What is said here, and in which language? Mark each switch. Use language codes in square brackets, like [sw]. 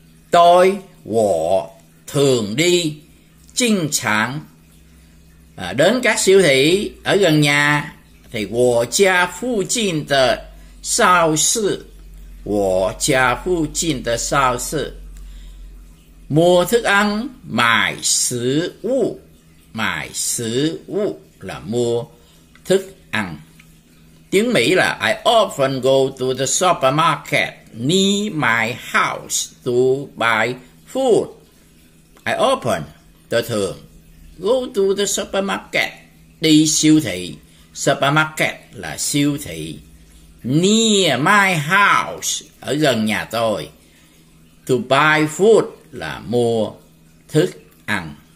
[vi] Tôi, [zh] 我, [vi] thường đi, [zh] 经常, [vi] đến các siêu thị ở gần nhà, thì [zh] 我家附近的超市, 我家附近的超市, [vi] mua thức ăn, [zh] 买食物, 买食物, [vi] là mua thức ăn. Tiếng Mỹ là [en] I often go to the supermarket near my house to buy food. I often, [vi] tôi thường, [en] go to the supermarket, [vi] đi siêu thị. Supermarket là siêu thị. [en] near my house, [vi] ở gần nhà tôi. [en] To buy food [vi] là mua thức ăn.